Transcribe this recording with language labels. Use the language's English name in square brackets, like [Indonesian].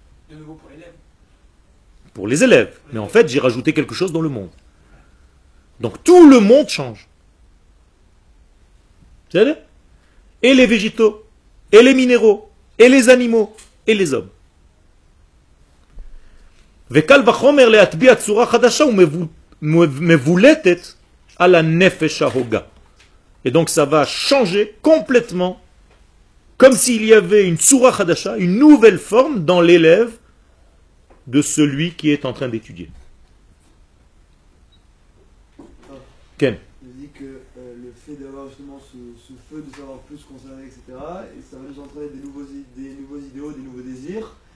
[French] De nouveau pour l'élève. Pour les élèves. Mais en fait, j'ai rajouté quelque chose dans le monde. Donc tout le monde change. Vous savez? Et les végétaux, et les minéraux, et les animaux et les hommes. [Hebrew] וקל וחומר להטביע צורה חדשה ומבולטת על הנפש ההוגה. [French] Et donc ça va changer complètement, comme s'il y avait une [Hebrew] tsura chadasha, [French] une nouvelle forme dans l'élève de celui qui est en train d'étudier. [Hebrew] Oh. Ken. [French] Il dit que le fait d'avoir justement ce feu, de savoir plus concerné, etc., et ça va nous entraîner des nouveaux idéaux, des nouveaux désirs.